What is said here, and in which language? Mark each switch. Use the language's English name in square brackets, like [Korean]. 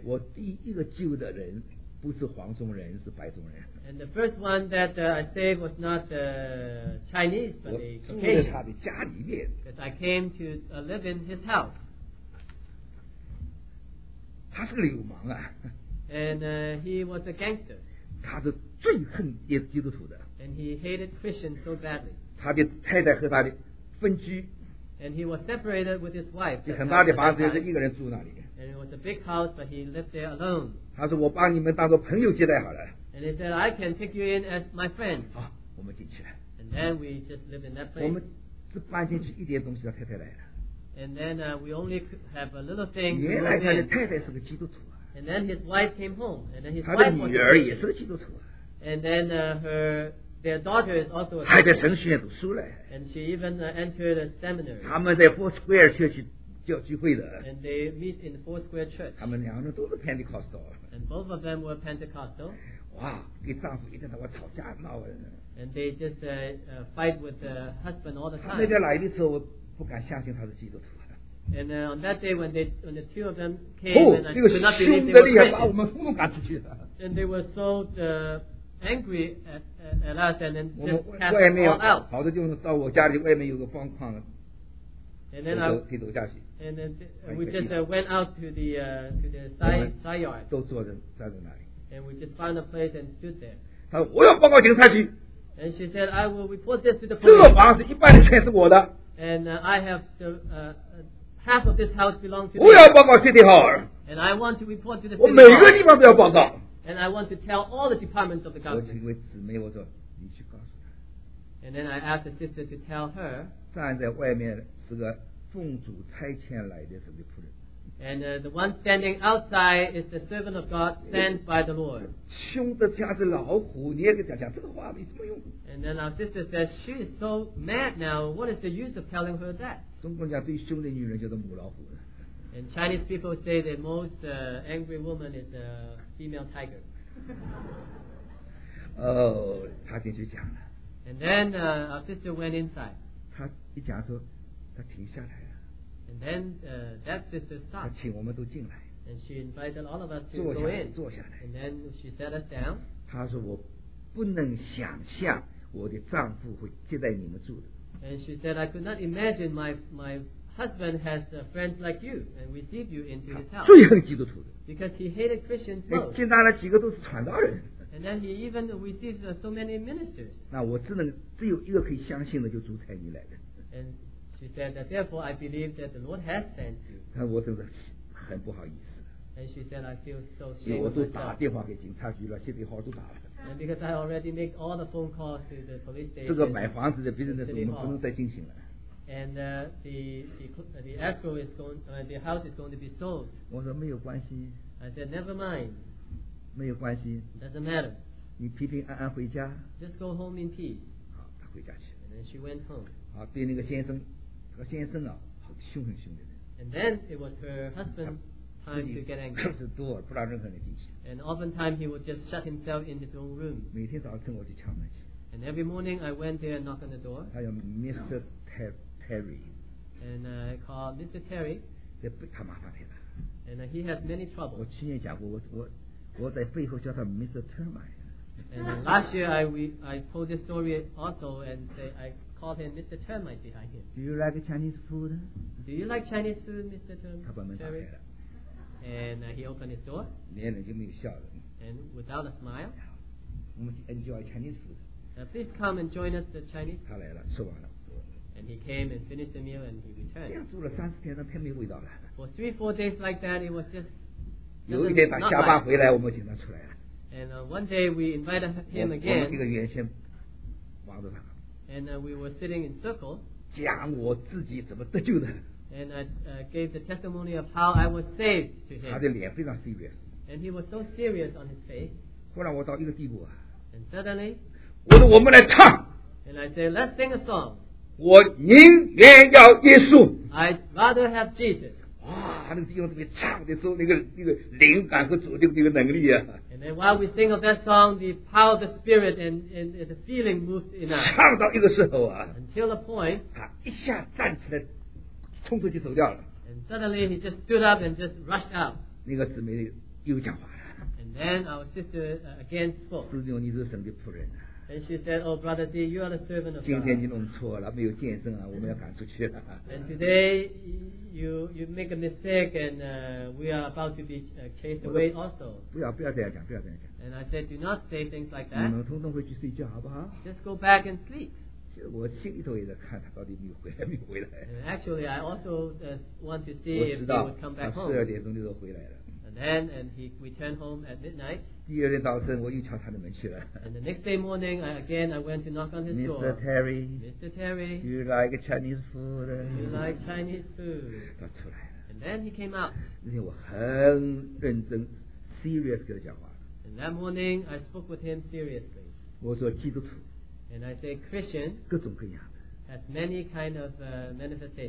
[Chinese] 我第一个救的人不是黄种人，是白种人。 [English] And the first one that I saved was not the Chinese, but the Caucasian. [Chinese] 我住在他的家里面。 [English] Because I came to live in his house. [Chinese] 他是个流氓啊 [English] ！And he was a gangster. [Chinese] 他是最恨耶基督徒的。 [English] And he hated Christians so badly. [Chinese] 他的太太和他的分居。 [English] And he was separated with his wife. [Chinese] 很大的房子，就一个人住那里。 [English] And it was a big house, but he lived there alone. [Chinese] 他说：“我把你们当做朋友接待好了。 [English] ”And he said, "I can take you in as my friend." [Chinese] 好，我们进去了。 [English] And then we just lived in that place. [Chinese] 我们只搬进去一点东西，他太太来了。 [English] And then we only have a little thing. [Chinese] 原来他的太太是个基督徒啊。 [English] And then his wife came home. And then his wife was a Christian. [Chinese] 他的女儿也是个基督徒啊。 [English] And then their daughter is also a Christian. [Chinese] 还在神学院读书嘞。 [English] And she even entered a seminary. [Chinese] 他们在 Four Square 教区教聚会的。 [English] And they meet in the Four Square Church. [Chinese] 他们两人都是 Pentecostal. [English] And both of them were Pentecostal. [Chinese] 哇，跟丈夫一天到晚吵架闹的。 [English] And they just fight with the husband all the time. [Chinese] 他们在来的时候。不敢相信他是基督徒。 [English] And then on that day when the two of them came, and I could not believe they were Christians. [Chinese] 把我们通通赶出去了。 [English] And they were so angry at us, and then just cast them all out. [Chinese] 跑到地方到我家里外面有个方框。 [English] And then we just went out to the side yard. [Chinese] 都坐在站在那里。 [English] And we just found a place and stood there. [Chinese] 他说我要报告警察局。 [English] And she said, "I will report this to the police." [Chinese] 这房子一半的钱是我的。 [English] And I have the half of this house belongs to. [Chinese] 我要报告 City Hall. [English] And I want to report to the. [Chinese] 我每个地方都要报告。 [English] And I want to tell all the departments of the government. [Chinese] 我请位姊妹，我说你去告诉他。 [English] And then I asked the sister to tell her. [Chinese] 站在外面是个奉主差遣来的神的仆人。 [English] And the one standing outside is the servant of God sent by the Lord. [Chinese] 凶的家是老虎，你也给讲讲这个话没什么用。 [English] And then our sister says, "She is so mad now. What is the use of telling her that?" [Chinese] 中国人家最凶的女人叫做母老虎。 [English] And Chinese people say the most angry woman is a female tiger. [Chinese] 哦，她进去讲了。 [English] And then our sister went inside. [Chinese] 她一讲说，她停下来了。 [English] And then that sister stopped. [Chinese] 她请我们都进来。 [English] And she invited all of us to go in. [Chinese] 坐下来。 [English] And then she sat us down. [Chinese] 她说我不能想象。我的丈夫会接待你们住的。 [English] And she said, "I could not imagine my husband has friends like you and receive you into his house." [Chinese] 最恨基督徒的。 [English] Because he hated Christians most. [Chinese] 接纳了几个都是传道人。 [English] And then he even received so many ministers. [Chinese] 那我只有一个可以相信的，就主差你来的。 [English] And she said that therefore I believe that the Lord has sent you. [Chinese] 那我真的很不好意思。 [English] And she said, "I feel so ashamed." [Chinese] 我都打电话给警察局了，现在好都打了。 [English] And because I already make all the phone calls to the police station, [Chinese] 这个买房子的 business 我们不能再进行了。 [English] And the escrow is going, the house is going to be sold. [Chinese] 我说没有关系。 [English] I said never mind. [Chinese] 没有关系。 [English] Doesn't matter. [Chinese] 你平平安安回家。 [English] Just go home in peace. [Chinese] 好，她回家去。 [English] And then she went home. [Chinese] 好，对那个先生，这个先生啊，很凶很凶的人。 [English] And then it was her husband. Time to get angry. [Chinese] 是多，不让任何人进去。 [English] And oftentimes he would just shut himself in his own room. [Chinese] 每天早晨我就敲门去。 [English] And every morning I went there and knocked on the door. [Chinese] 他叫 Mr. Terry. [English] And I called Mr. Terry. [Chinese] 这他麻烦太大。 [English] And he has many troubles. [Chinese] 我去年讲过，我在背后叫他 Mr. [English] Termite. And last year I told this story also and say I called him Mr. Termite behind him. Do you like Chinese food? Do you like Chinese food, Mr. Termite? [Chinese] 他把门打开了。 [English] And he opened his door. [Chinese] 连人就没有笑了。 [English] And without a smile. 我们 enjoy Chinese food. Please come and join us, the Chinese. [Chinese] 他来了，吃完了。 [English] And he came and finished the meal, and he returned. [Chinese] 这样住了三十天，那太没味道了。 [English] For three, 4 days like that, it was just [Chinese] 有一天他下班回来，我们请他出来了。 [English] And one day we invited him again. [Chinese] 我们这个原先帮着他。 [English] And we were sitting in circle. [Chinese] 讲我自己怎么得救的。 [English] And I gave the testimony of how I was saved to him. [Chinese] 他的脸非常 serious. [English] And he was so serious on his face. [Chinese] 忽然我到一个地步啊。 [English] And suddenly, [Chinese] 我说我们来唱。 [English] And I said, let's sing a song. [Chinese] 我宁愿要耶稣。 [English] I'd rather have Jesus. [Chinese] 哇，那个弟兄特别唱的时候，那个灵感和主的那个能力啊。 [English] And then while we sing of that song, the power of the Spirit and the feeling moves in us. [Chinese] 唱到一个时候啊。 [English] Until a point. [Chinese] 他一下站起来，冲出去走掉了。 [English] And suddenly he just stood up and just rushed out. [Chinese] 那个姊妹又讲话。 [English] And then our sister again spoke. [Chinese] 师兄，你是神的仆人。 [English] And she said, "Oh, brother D, you are the servant of God." [Chinese] 今天你弄错了，没有见证啊，我们要赶出去了。 [English] And today you make a mistake, and we are about to be chased away also. [Chinese] 不要这样讲，不要这样讲。 [English] And I said, "Do not say things like that." [Chinese] 你们通通回去睡觉好不好 [English] ？Just go back and sleep. [Chinese] 我心里头也在看他到底没回来。 [English] And actually, I also want to see if he would come back home. [Chinese] 我知道，他十二点钟就回来了。 [English] And he returned home at midnight. [Chinese] 第二天早晨，我又敲他的门去了。 [English] And the next day morning, I went to knock on his door. Mr. Terry, do you like Chinese food? You like Chinese food? [Chinese] 他出来了。 [English] And then he came out. [Chinese] 那天我很认真 ，serious 跟他讲话。 [English] And that morning, I spoke with him seriously. [Chinese] 我说基督徒。 [English] And I said Christian. [Chinese] 各种各样的。 [English] Has many kind of manifestations.